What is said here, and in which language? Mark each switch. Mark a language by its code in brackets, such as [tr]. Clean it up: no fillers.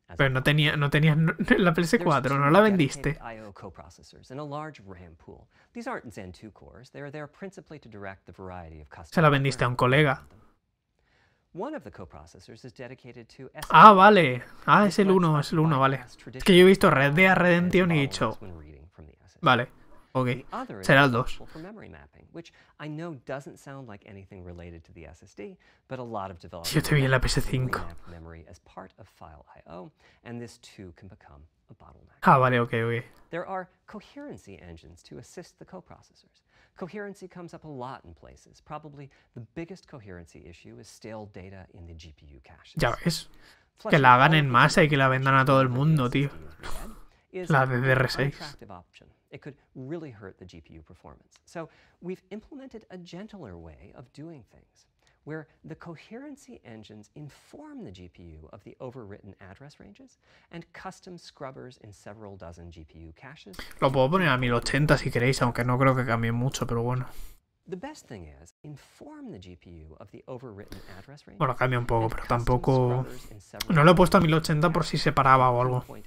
[es] Pero no tenía la PS4, no la vendiste. [en] IO coprocessors and a large RAM pool. These aren't Zen 2 cores. They are there principally to direct the variety of customers. [es] Se la vendiste a un colega. [en] One of the coprocessors is dedicated to. [es] Ah, vale. Ah, es el uno, vale. Es que yo he visto Red Dead Redemption y he dicho. Vale. Okay. Será el 2. [en] Which I know doesn't sound like anything related to the SSD, but a lot of developers. [es] Yo te vi en la PS5. [en] Memory as part of file I/O, and this too can become a bottleneck. [es] Ah, vale, okay. [en] There are coherency engines to assist the coprocessors. Coherency comes up a lot in places. Probably the biggest coherency issue is stale data in the GPU cache. [es] Ya ves. Que la hagan en masa y que la vendan a todo el mundo, tío. La DDR6. [en] It could really hurt the GPU performance. So we've implemented a gentler way of doing things, where the coherency engines inform the GPU of the overwritten address ranges and custom scrubbers in several dozen GPU caches. [es] Lo puedo poner a 1080 si queréis, aunque no creo que cambie mucho, pero bueno. [en] The best thing is inform the GPU of the overwritten address range. [es] Bueno, cambia un poco, pero tampoco. No lo he puesto a 1080 por si se paraba o algo.